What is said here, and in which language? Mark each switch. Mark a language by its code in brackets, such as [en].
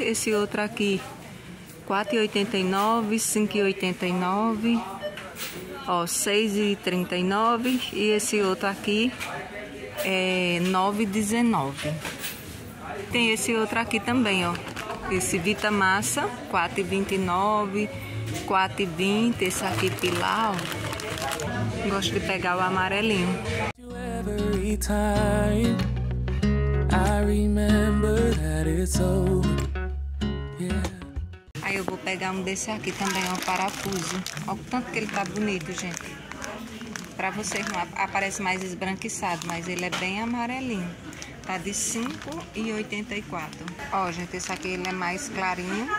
[pt] Esse outro aqui, 4,89, 5,89, ó, 6,39, e esse outro aqui é 9,19. Tem esse outro aqui também, ó, esse Vita Massa, 4,29, 4,20, esse aqui Pilau, gosto de pegar o amarelinho. [en] Every time I remember that it's over. [pt] Aí eu vou pegar um desse aqui também, ó, parafuso. Olha o tanto que ele tá bonito, gente. Pra vocês não aparece mais esbranquiçado, mas ele é bem amarelinho. Tá de 5,84. Ó, gente, esse aqui ele é mais clarinho.